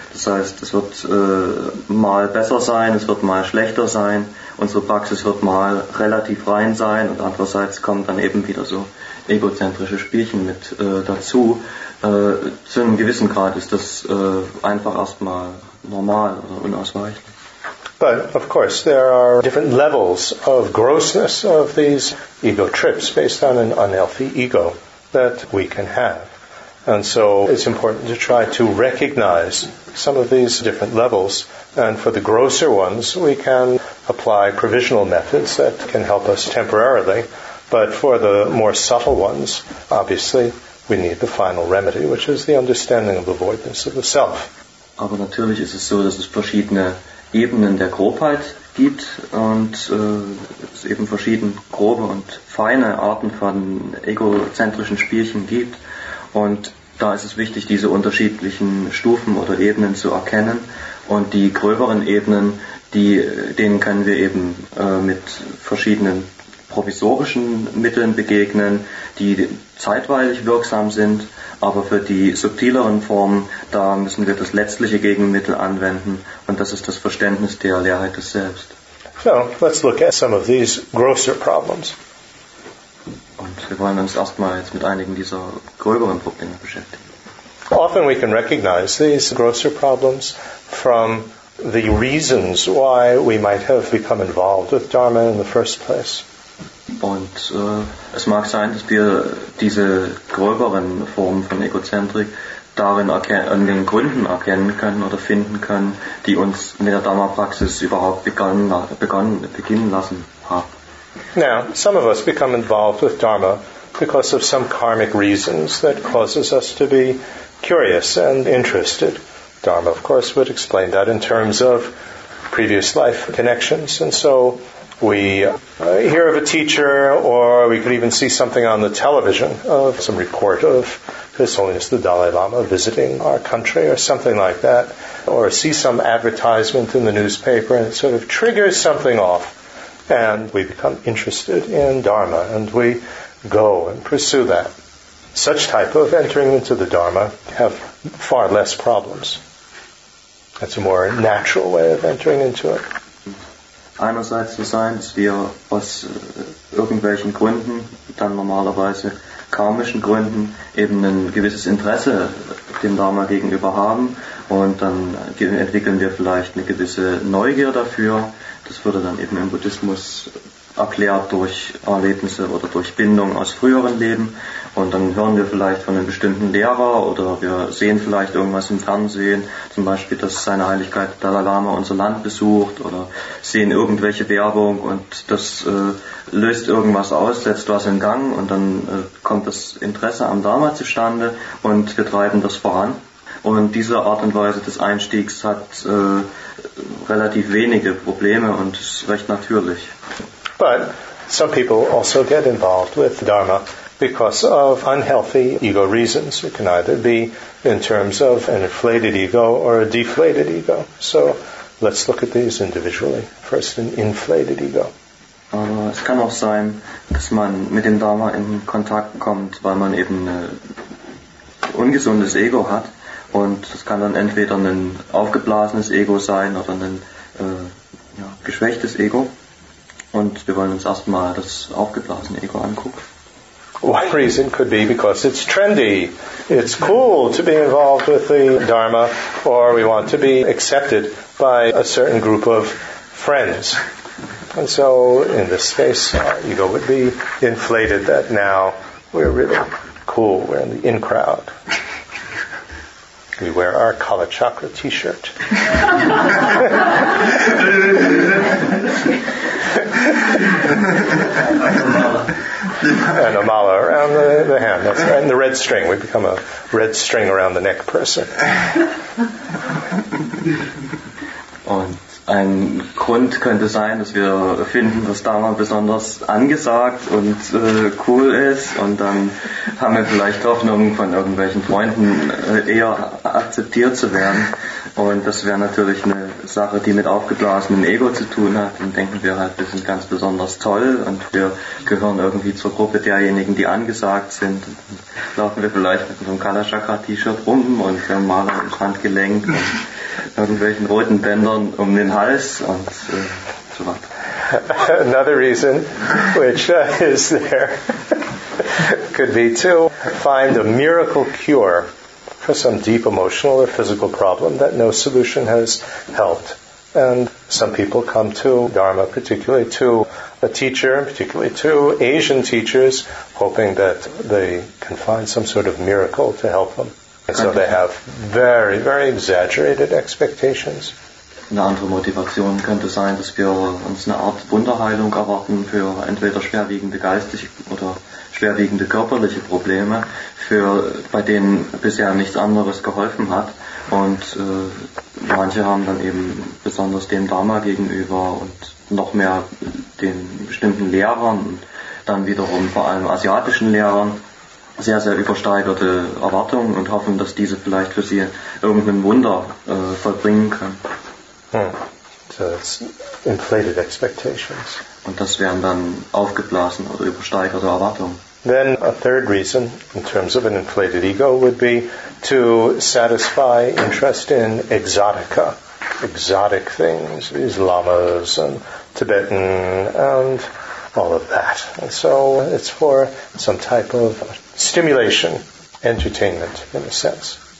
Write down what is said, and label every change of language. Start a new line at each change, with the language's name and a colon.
German: Das heißt, es wird mal besser sein, es wird mal schlechter sein. Unsere Praxis wird mal relativ rein sein und andererseits kommen dann eben wieder so egozentrische Spielchen mit dazu. Zu einem gewissen Grad ist das einfach erstmal normal oder unausweichlich.
English: But of course there are different levels of grossness of these ego trips based on an unhealthy ego that we can have. And so it's important to try to recognize some of these different levels. And for the grosser ones, we can apply provisional methods that can help us temporarily. But for the more subtle ones, obviously, we need the final remedy, which is the understanding of the voidness of the self.
German: Aber natürlich ist es so, dass es verschiedene Ebenen der Grobheit gibt und es eben verschiedene grobe und feine Arten von egozentrischen Spielchen gibt. Und da ist es wichtig, diese unterschiedlichen Stufen oder Ebenen zu erkennen. Und die gröberen Ebenen, denen können wir eben mit verschiedenen provisorischen Mitteln begegnen, die zeitweilig wirksam sind. Aber für die subtileren Formen, da müssen wir das letztliche Gegenmittel anwenden. Und das ist das Verständnis der Leerheit des Selbst.
English: So, let's look at some of these grosser problems.
German: Und wir wollen uns erstmal jetzt mit einigen dieser gröberen Probleme beschäftigen.
English: Often we can recognize these grosser problems from the reasons why we might have become involved with Dharma in the first place.
German: Und es mag sein, dass wir diese gröberen Formen von Egozentrik darin an den Gründen erkennen können oder finden können, die uns mit der Dharma-Praxis überhaupt beginnen lassen haben.
English: Now, some of us become involved with Dharma because of some karmic reasons that causes us to be curious and interested. Dharma, of course, would explain that in terms of previous life connections. And so we hear of a teacher, or we could even see something on the television of some report of His Holiness the Dalai Lama visiting our country or something like that, or see some advertisement in the newspaper and it sort of triggers something off. And we become interested in Dharma, and we go and pursue that. Such type of entering into the Dharma have far less problems. That's a more natural way of entering into it.
German: Einerseits so sein, dass wir aus irgendwelchen Gründen, dann normalerweise karmischen Gründen, eben ein gewisses Interesse dem Dharma gegenüber haben. Und dann entwickeln wir vielleicht eine gewisse Neugier dafür. Das würde dann eben im Buddhismus erklärt durch Erlebnisse oder durch Bindungen aus früheren Leben. Und dann hören wir vielleicht von einem bestimmten Lehrer oder wir sehen vielleicht irgendwas im Fernsehen, zum Beispiel, dass seine Heiligkeit Dalai Lama unser Land besucht oder sehen irgendwelche Werbung und das löst irgendwas aus, setzt was in Gang und dann kommt das Interesse am Dharma zustande und wir treiben das voran. Und diese Art und Weise des Einstiegs hat relativ wenige Probleme und ist recht natürlich.
English: But some people also get involved with Dharma because of unhealthy ego reasons. It can either be in terms of an inflated ego or a deflated ego. So let's look at these individually. First, an inflated ego.
German: Es kann auch sein, dass man mit dem Dharma in Kontakt kommt, weil man eben ein ungesundes Ego hat. Und das kann dann entweder ein aufgeblasenes Ego sein oder ein geschwächtes Ego. Und wir wollen uns erstmal das aufgeblasene Ego angucken.
English: One reason could be because it's trendy. It's cool to be involved with the Dharma, or we want to be accepted by a certain group of friends. And so in this case, our ego would be inflated that now we're really cool, we're in the in crowd. We wear our Kala Chakra t-shirt. And a mala around the hand. That's right. And the red string. We become a red string around the neck person.
German: Und ein Grund könnte sein, dass wir finden, dass Dharma besonders angesagt und cool ist. Und dann haben wir vielleicht Hoffnung, von irgendwelchen Freunden eher akzeptiert zu werden. Und das wäre natürlich eine Sache, die mit aufgeblasenem Ego zu tun hat. Dann denken wir halt, wir sind ganz besonders toll und wir gehören irgendwie zur Gruppe derjenigen, die angesagt sind. Und dann laufen wir vielleicht mit unserem Kala Chakra T-Shirt rum und wir haben Maler ins Handgelenk und irgendwelchen roten Bändern um den Hals und so weiter.
English: Another reason, which is there, could be to find a miracle cure for some deep emotional or physical problem that no solution has helped. And some people come to Dharma, particularly to a teacher, particularly to Asian teachers, hoping that they can find some sort of miracle to help them. And so they have very, very exaggerated expectations.
German: Eine andere Motivation könnte sein, dass wir uns eine Art Wunderheilung erwarten für entweder schwerwiegende geistige oder schwerwiegende körperliche Probleme, für bei denen bisher nichts anderes geholfen hat. Und manche haben dann eben besonders dem Dharma gegenüber und noch mehr den bestimmten Lehrern und dann wiederum vor allem asiatischen Lehrern sehr, sehr übersteigerte Erwartungen und hoffen, dass diese vielleicht für sie irgendein Wunder vollbringen können.
English: So it's inflated expectations.
German: Und das wären dann aufgeblasen oder übersteigerte Erwartungen.
English: Then a third reason in terms of an inflated ego would be to satisfy interest in exotica, exotic things, these lamas and Tibetan and all of that. And so it's for some type of stimulation, entertainment in a sense.